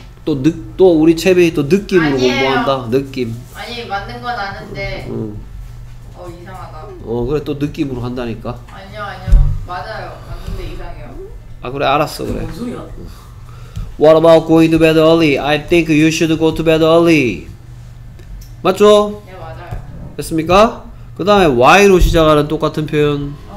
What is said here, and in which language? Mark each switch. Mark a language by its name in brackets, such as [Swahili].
[Korean] 또 느, 또 우리 채비 또 느낌으로 아니에요. 공부한다. 느낌. 아니 맞는 건 아는데. 어 이상하다. 어 그래 또 느낌으로 한다니까. 아니요 아니요 맞아요 맞는데 이상해요. 아 그래 알았어 그래. 뭔 소리야? [English] What about going to bed early? I think you should go to bed early. [Korean] 맞죠? 네 맞아요. 됐습니까? 그 다음에 why로 시작하는 똑같은 표현.